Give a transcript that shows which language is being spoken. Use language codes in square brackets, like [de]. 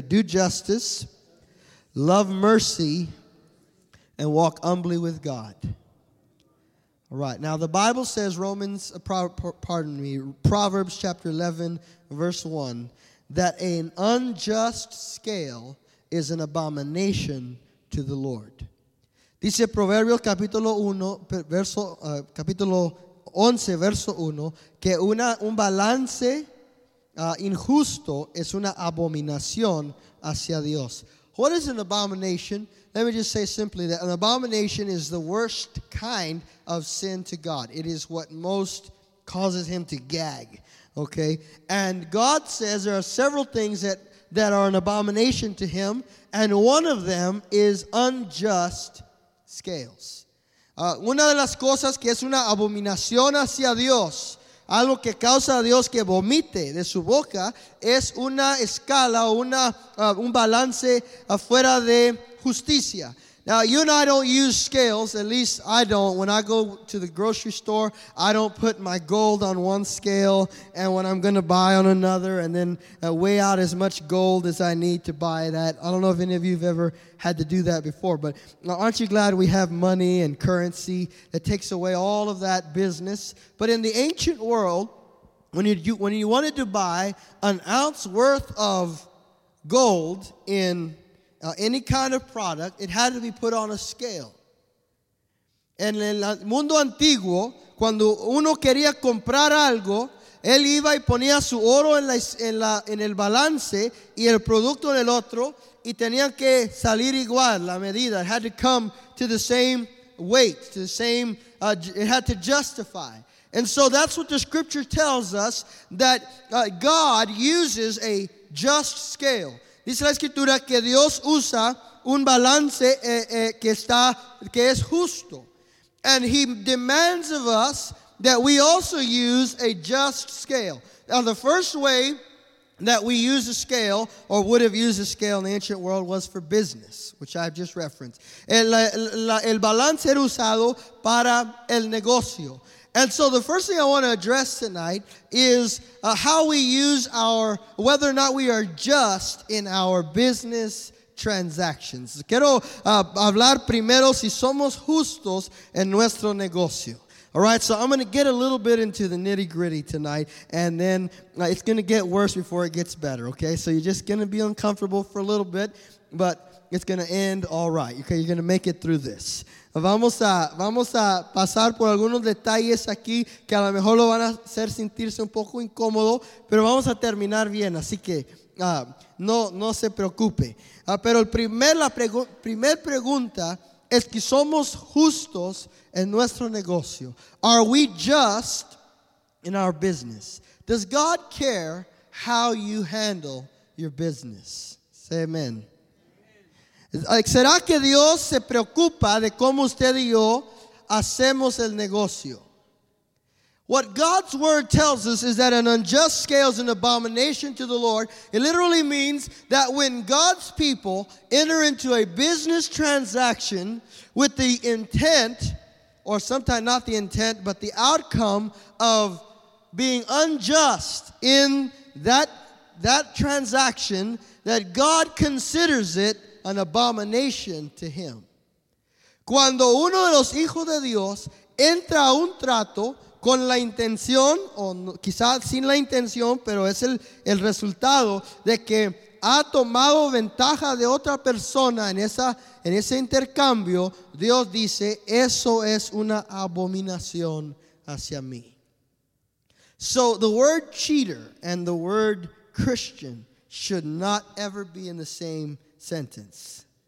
[en] Do justice, love mercy, and walk humbly with God. All right. Now the Bible says, Proverbs chapter 11, verse 1, that an unjust scale is an abomination to the Lord. [es] Dice Proverbios capítulo 11, verso 1, que un balance injusto es una abominación hacia Dios. [en] What is an abomination? Let me just say simply that an abomination is the worst kind of sin to God. It is what most causes him to gag. Okay? And God says there are several things that are an abomination to him, and one of them is unjust scales. [es] Una de las cosas que es una abominación hacia Dios, algo que causa a Dios que vomite de su boca, es una escala o un balance afuera de justicia. [en] Now, you and I don't use scales, at least I don't. When I go to the grocery store, I don't put my gold on one scale and when I'm going to buy on another and then weigh out as much gold as I need to buy that. I don't know if any of you have ever had to do that before, but aren't you glad we have money and currency that takes away all of that business? But in the ancient world, when you wanted to buy an ounce worth of gold in any kind of product, it had to be put on a scale. [es] En el mundo antiguo, cuando uno quería comprar algo, él iba y ponía su oro en el balance y el producto en el otro, y tenía que salir igual la medida. [en] It had to come to the same weight, to the same, it had to justify. And so that's what the scripture tells us, that God uses a just scale. [es] Dice la escritura que Dios usa un balance que es justo. [en] And he demands of us that we also use a just scale. Now the first way that we use a scale or would have used a scale in the ancient world was for business, which I've just referenced. [es] El balance era usado para el negocio. [en] And so the first thing I want to address tonight is how we use our, whether or not we are just in our business transactions. [es] Quiero hablar primero si somos justos en nuestro negocio. [en] All right, so I'm going to get a little bit into the nitty-gritty tonight, and then it's going to get worse before it gets better, okay? So you're just going to be uncomfortable for a little bit, but it's going to end all right, okay? You're going to make it through this. [es] Vamos a pasar por algunos detalles aquí que a lo mejor lo van a hacer sentirse un poco incómodo, pero vamos a terminar bien, así que no se preocupe. Pero la primer pregunta es que somos justos en nuestro negocio. [en] Are we just in our business? Does God care how you handle your business? Say amen. [es] ¿Será que Dios se preocupa de cómo usted y yo hacemos el negocio? [en] What God's word tells us is that an unjust scale is an abomination to the Lord. It literally means that when God's people enter into a business transaction with the intent, or sometimes not the intent, but the outcome of being unjust in that transaction, that God considers it an abomination to him. [es] Cuando uno de los hijos de Dios entra a un trato con la intención, o quizás sin la intención, pero es el resultado de que ha tomado ventaja de otra persona en ese intercambio, Dios dice, eso es una abominación hacia mí. [en] So the word cheater and the word Christian should not ever be in the same sentence.